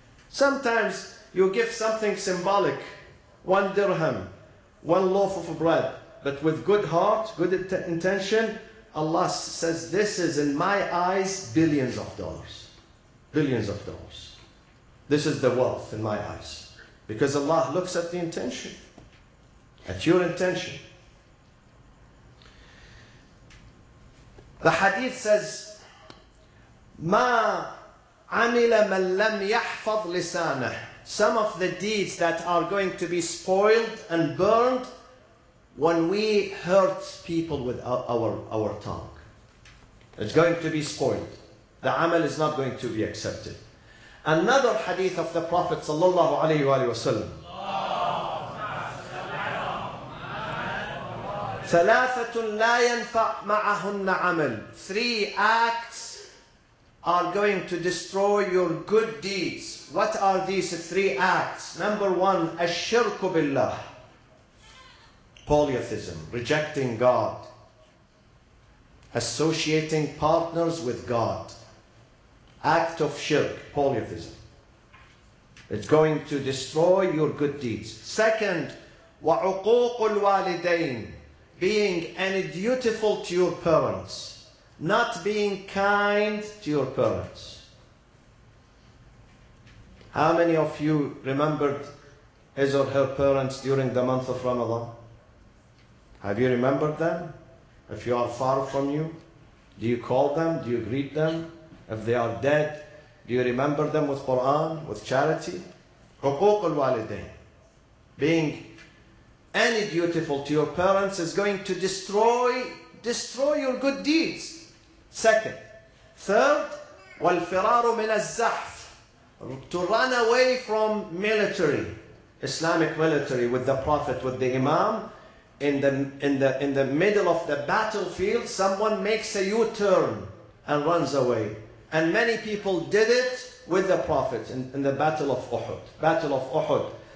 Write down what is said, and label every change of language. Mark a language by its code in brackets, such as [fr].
[en] Sometimes you give something symbolic, one dirham, one loaf of bread, but with good heart, good intention, Allah says, this is in my eyes, billions of dollars. Billions of dollars. This is the wealth in my eyes. Because Allah looks at the intention, at your intention. The hadith says, [ar] مَا عَمِلَ مَنْ لَمْ يَحْفَظْ لِسَانَهُ. [en] Some of the deeds that are going to be spoiled and burned when we hurt people with our tongue. It's going to be spoiled. The amal is not going to be accepted. Another hadith of the Prophet sallallahu alayhi wa sallam. [ar] ثلاثة لا ينفع معهن عمل. [en] Three acts are going to destroy your good deeds. What are these three acts? Number one, [ar] الشرك بالله. [en] Polytheism, rejecting God. Associating partners with God. Act of shirk, polytheism. It's going to destroy your good deeds. Second, [ar] وعقوق الوالدين. [en] Being undutiful to your parents. Not being kind to your parents. How many of you remembered his or her parents during the month of Ramadan? Have you remembered them? If you are far from you, do you call them? Do you greet them? If they are dead, do you remember them with Quran, with charity? [ar] حقوق الوالدين. [en] Being any dutiful to your parents is going to destroy your good deeds. Second. Third, [ar] والفرار من الزحف. [en] To run away from military, Islamic military, with the Prophet, with the Imam. In the middle of the battlefield, someone makes a U-turn and runs away. And many people did it with the Prophet in the Battle of Uhud. Battle of Uhud.